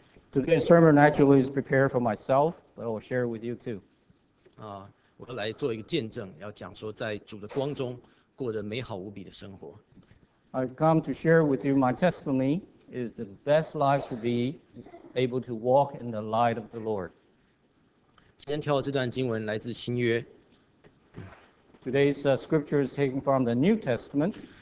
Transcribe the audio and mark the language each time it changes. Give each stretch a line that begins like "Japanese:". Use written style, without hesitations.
English: Today's sermon actually is prepared for myself, but I will share with you too.
Chinese: 我要来做一个见证，要讲说在主的光中过得美好无比的生活。
English: I come to share with you my testimony. It is the best life to be able to walk in the light of the Lord.
Chinese: 今天挑的这段经文来自新约。
English: Today's scripture is taken from the New Testament.